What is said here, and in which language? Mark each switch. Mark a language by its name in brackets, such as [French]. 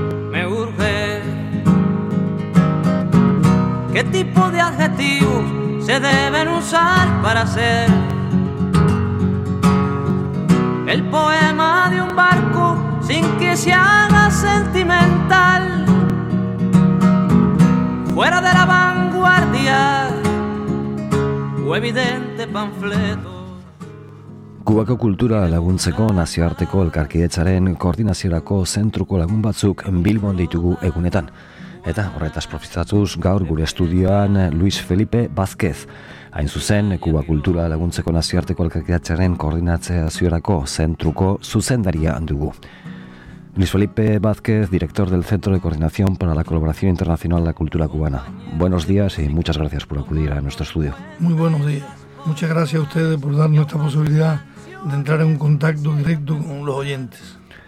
[Spanish] Me urge, ¿qué tipo de adjetivos se deben usar para hacer el poema de un barco sin que se haga sentimental, fuera de la vanguardia o evidente panfleto? [Basque] Kubako kultura laguntzeko nazioarteko elkarkidetzaren koordinaziorako zentruko lagun batzuk Bilbon ditugu egunetan. Eta horretaz profitatuz gaur gure estudioan Luis Felipe Vázquez. Hain zuzen, Kuba kultura laguntzeko nazioarteko elkarkidetzaren koordinaziorako zentruko zuzendaria dugu. [Spanish] Luis Felipe Vázquez, director del Centro de Coordinación para la Colaboración Internacional de la Cultura Cubana. Buenos días y muchas gracias por acudir a nuestro estudio. Muy buenos días. Muchas gracias a ustedes por darnos esta posibilidad de entrar en un contacto directo con los oyentes.